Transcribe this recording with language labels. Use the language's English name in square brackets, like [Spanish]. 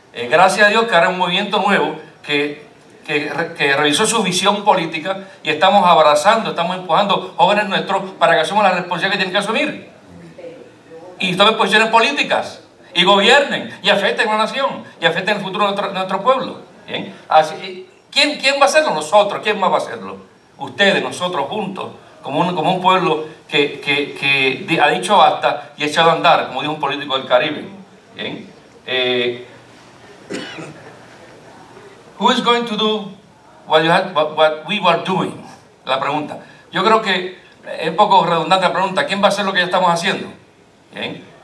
[Spanish] Gracias a Dios que ahora hay un movimiento nuevo que revisó su visión política y estamos abrazando, estamos empujando jóvenes nuestros para que asuman la responsabilidad que tienen que asumir y tomen posiciones políticas y gobiernen y afecten a la nación y afecten el futuro de nuestro pueblo. ¿Bien? Así, ¿quién va a hacerlo? Nosotros. ¿Quién más va a hacerlo? Ustedes, nosotros juntos, como un pueblo que ha dicho basta y ha echado a andar, como dijo un político del Caribe. ¿Bien? [English] Who is going to do what we were doing? [Spanish] La pregunta. Yo creo que es un poco redundante la pregunta. ¿Quién va a hacer lo que ya estamos haciendo? ¿Bien?